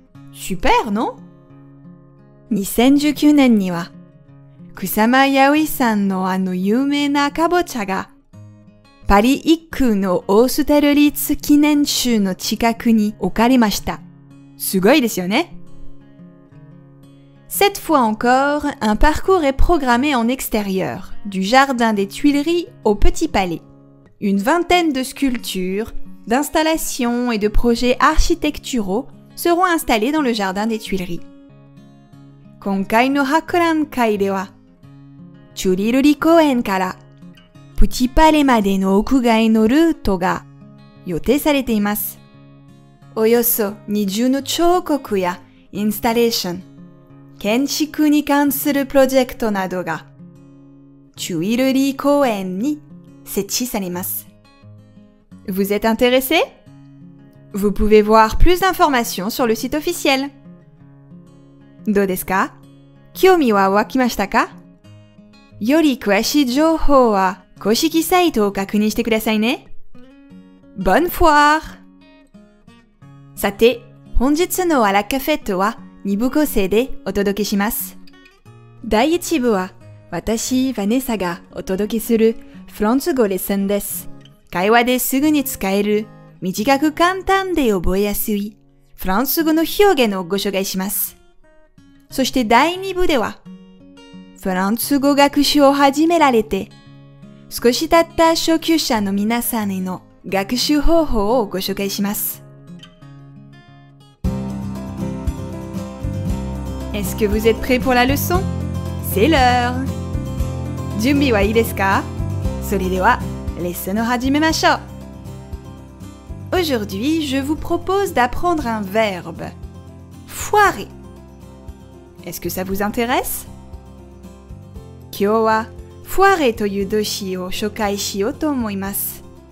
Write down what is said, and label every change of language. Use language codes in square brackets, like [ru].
[fr] Super, non? [ja] 2019年には、Kusama Yayoi さんのあの有名なカボチャがパリ一空のオーステルリッツ記念柱の近くに置かれました。すごいですよね。 [fr] Cette fois encore, un parcours est programmé en extérieur, du jardin des Tuileries au petit palais. Une vingtaine de sculptures, d'installations et de projets architecturaux seront installés dans le jardin des Tuileries. [ja] 今回の博覧会では、チュリルリ公園からプチパレまでの屋外のルートが予定されています。およそ20の彫刻やインスタレーション、建築に関するプロジェクトなどが、チュイルリー公園に設置されます。 [fr] Vous êtes intéressé? Vous pouvez voir plus d'informations sur le site officiel. [ja] どうですか?興味は湧きましたか? より詳しい情報は、公式サイトを確認してくださいね。 [fr] Bonne foire! [ja] さて、本日のアラカフェットは2部構成でお届けします。第1部は、私、ヴァネッサがお届けするフランス語レッスンです。会話ですぐに使える、短く簡単で覚えやすいフランス語の表現をご紹介します。そして第2部では、フランス語学習を始められて、少し経った初級者の皆さんへの学習方法をご紹介します。 [fr] Est-ce que vous êtes prêts pour la leçon? C'est l'heure! [ja] 準備はいいですか? それでは、レッスンを始めましょう! [fr] Aujourd'hui, je vous propose d'apprendre un verbe. Foirer! Est-ce que ça vous intéresse? [ja] 今日は、foirer という動詞を紹介しようと思います。